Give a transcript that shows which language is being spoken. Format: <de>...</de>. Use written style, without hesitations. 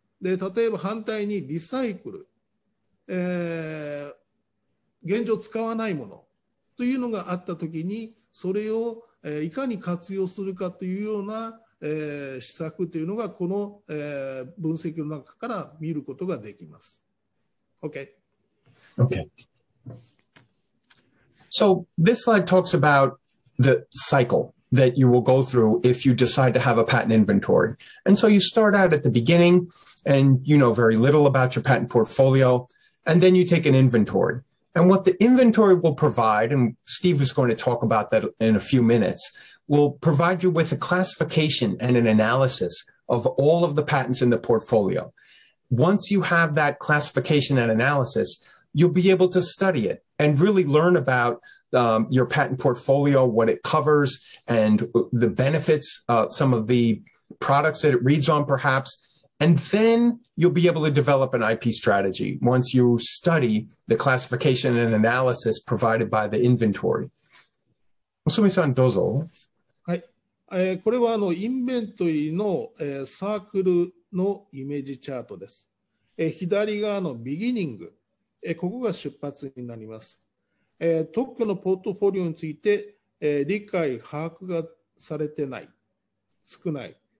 <ja>で、例えば反対にリサイクル、現状使わないものというのがあったときに、それをいかに活用するかというような施策というのがこの分析の中から見ることができます。</ja> <en>Okay. Okay. So this slide talks about the cycle that you will go through if you decide to have a patent inventory. And so you start out at the beginning and you know very little about your patent portfolio, and then you take an inventory. And what the inventory will provide, and Steve is going to talk about that in a few minutes, will provide you with a classification and an analysis of all of the patents in the portfolio. Once you have that classification and analysis, you'll be able to study it and really learn about your patent portfolio, what it covers, and the benefits, some of the products that it reads on perhaps. And then you'll be able to develop an IP strategy once you study the classification and analysis provided by the inventory.</en> <ja>Osumi-san, dozo. これはインベントリーのサークルのイメージチャートです。左側のビギニング、ここが出発になります。特許のポートフォリオについて理解、把握がされてない、少ない。</ja>